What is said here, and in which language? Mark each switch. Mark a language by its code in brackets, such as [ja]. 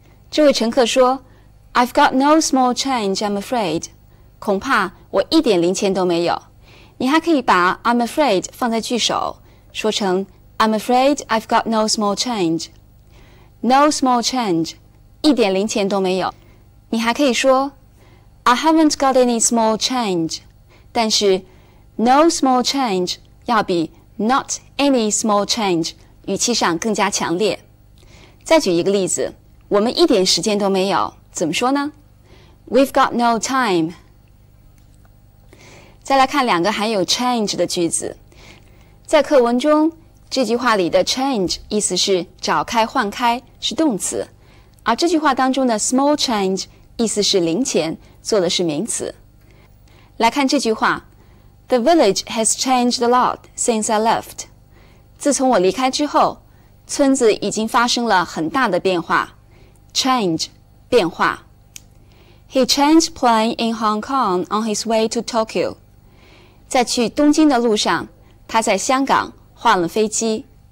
[zh] 这位乘客说 [en] I've got no small change, I'm afraid. [zh] 恐怕我一点零钱都没有。你还可以把 [en] I'm afraid 放在句首，说成 I'm afraid I've got no small change. No small change, [zh] 一点零钱都没有。你还可以说 [en] I haven't got any small change. [zh] 但是 no small change 要比 not any small change 语气上更加强烈。再举一个例子，我们一点时间都没有，怎么说呢？ [en] We've got no time. [zh] 再来看两个含有 change 的句子。在课文中，这句话里的 change 意思是找开换开，是动词，而这句话当中的 small change 意思是零钱，做的是名词。来看这句话， [en] The village has changed a lot since I left. [zh] 自从我离开之后，村子已经发生了很大的变化。 [en] change [zh] 变化。 [en] He changed plane in Hong Kong on his way to Tokyo. [zh] 在去东京的路上，他在香港换了飞机。